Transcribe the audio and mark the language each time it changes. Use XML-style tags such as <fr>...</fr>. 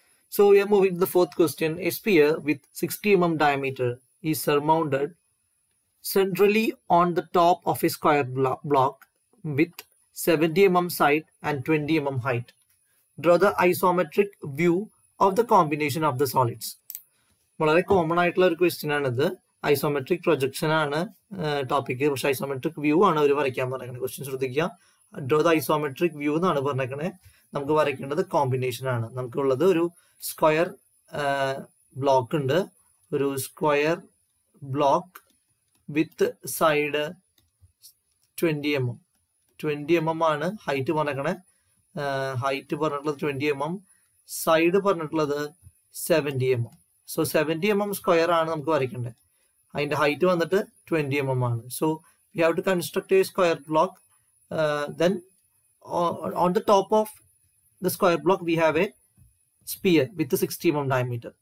<en>So we are moving to the fourth question. A sphere with 60 mm diameter is surmounted centrally on the top of a square block with 70 mm side and 20 mm height. Draw the isometric view of the combination of the solids. Very common question is isometric projection is topic. Isometric view is a question. Draw the isometric view is a question.</en> <ml>നമുക്ക് വരയ്ക്കേണ്ടത് combination ആണ്. നമുക്കുള്ളത് ഒരു square block ഉണ്ട്.</ml> <en>ഒരു square block with side 20 mm.</en> <ml>20 mm ആണ് height പറഞ്ഞേക്കണേ. Height പറഞ്ഞിട്ടുള്ളത് 20 mm, side പറഞ്ഞിട്ടുള്ളത് 70 mm. So 70 mm square ആണ് നമുക്ക് വരയ്ക്കേണ്ടത്. അതിൻ്റെ ഹൈറ്റ് വന്നിട്ട് 20 mm ആണ്.</ml> <en>So we have to construct a square block then on the top of the square block we have a sphere with the 60 mm diameter.</en>